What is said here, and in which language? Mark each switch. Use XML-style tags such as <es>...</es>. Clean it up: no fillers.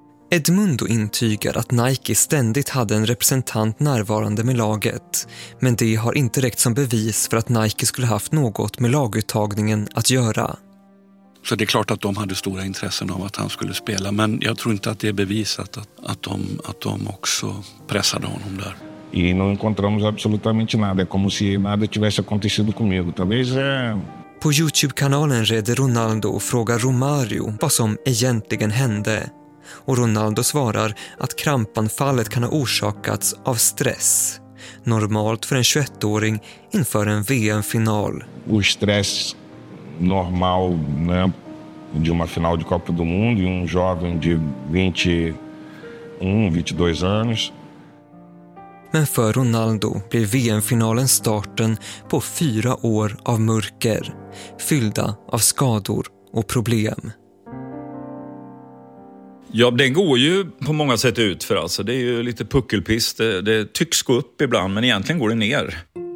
<sv>Edmundo intygar att Nike ständigt hade en representant närvarande med laget. Men det har inte räckt som bevis för att Nike skulle haft något med laguttagningen att göra. Så det är klart att de hade stora intressen av att han skulle spela. Men jag tror inte att det är bevisat att de också pressade honom där.</sv> <pt>E não encontramos absolutamente nada. É como se nada tivesse acontecido comigo. Talvez é...</pt> <sv>På YouTube-kanalen Rede Ronaldo frågar Romário vad som egentligen hände. Och Ronaldo svarar att krampanfallet kan ha orsakats av stress. Normalt för en 21-åring inför en VM-final.</sv> <pt>O stress normal, né, de uma final de Copa do Mundo e um jovem de 21, 22 anos.</pt> <sv>Men för Ronaldo blir VM-finalen starten på 4 år av mörker, fyllda av skador och problem. Ja, den går ju på många sätt ut för alltså. Det är ju lite puckelpist. Det tycks gå upp ibland, men egentligen går det ner.</sv>